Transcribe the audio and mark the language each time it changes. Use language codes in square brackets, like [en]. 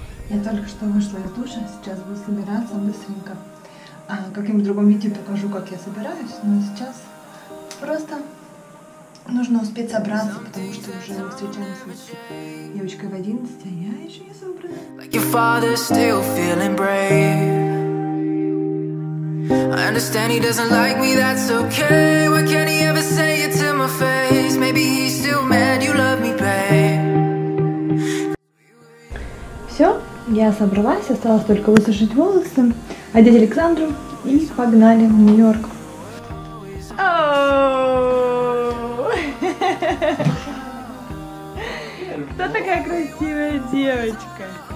[ru] Я только что вышла из душа, сейчас буду собираться быстренько. Как-нибудь в другом видео покажу, как я собираюсь, но сейчас просто нужно успеть собраться, потому что уже встречаемся с девочкой в 11, а я еще не собрана. [en] Your father's still feeling brave. I understand he doesn't like me, that's okay. Why can't he ever say it to my face? Maybe he's still mad you love me, babe. [ru] Все, я собралась, осталось только высушить волосы, одеть Александру и погнали в Нью-Йорк. Кто такая красивая девочка?